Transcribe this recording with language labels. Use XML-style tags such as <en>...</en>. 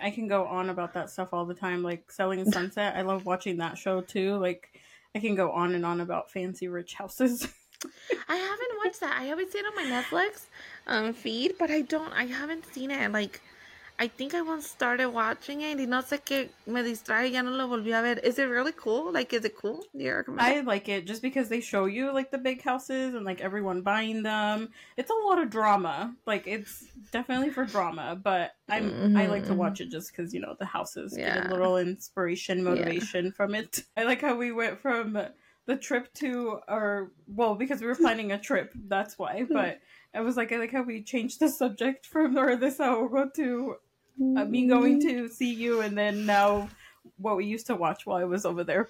<en>I can go on about that stuff all the time. Like Selling Sunset. I love watching that show too. Like I can go on and on about fancy rich houses. I haven't watched that. I always see it on my Netflix feed, but I haven't seen it. Like I think I once started watching it.</en> <es>No sé qué me distrae, ya no lo volví a ver.</es> <en>Is it really cool? Like, is it cool? I like it just because they show you, like, the big houses and, like, everyone buying them. It's a lot of drama. Like, it's definitely for drama, but I like to watch it just because, you know, the houses get a little inspiration, motivation from it. I like how we went from the trip to our, well, because we were planning a trip, that's why, but I was like, I like how we changed the subject from or this ahogo to me going to see you and then now what we used to watch while I was over there.</en>